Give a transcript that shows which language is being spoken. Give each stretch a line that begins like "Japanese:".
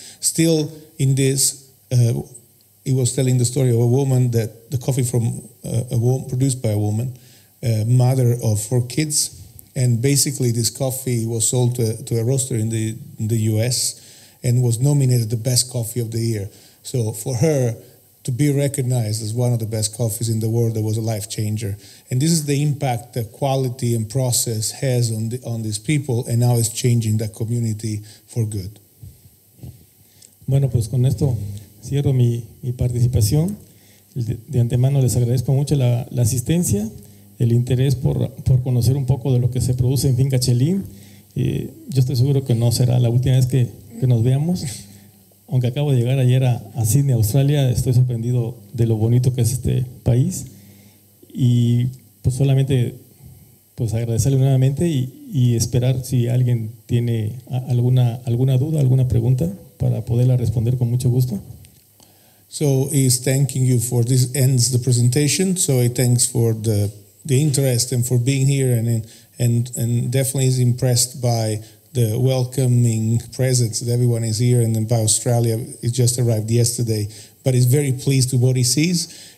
English: Still in this, he was telling the story of a woman that the coffee from a woman produced by a woman, mother of 4 kids, and basically this coffee was sold to a roaster in the US and was nominated the best coffee of the year. So for her to be recognized as one of the best coffees in the world, that was a life changer. And this is the impact that quality and process has on these people, and now it's changing that community for good.
Spanish: Bueno, pues con esto cierro mi participación. De antemano les agradezco mucho la asistencia, el interés por conocer un poco de lo que se produce en Finca Chelín. Yo estoy seguro que no será la última vez que nos veamos. Aunque acabo de llegar ayer a Sydney, Australia, estoy sorprendido de lo bonito que es este país. Y pues solamente pues agradecerle nuevamente y esperar si alguien tiene alguna duda, alguna pregunta, para poderla responder con mucho gusto.
English: So he's thanking you for this, ends the presentation. So he thanks for the interest and for being here, and definitely is impressed by the welcoming presence that everyone is here, and then by Australia, it just arrived yesterday, but he's very pleased with what he sees.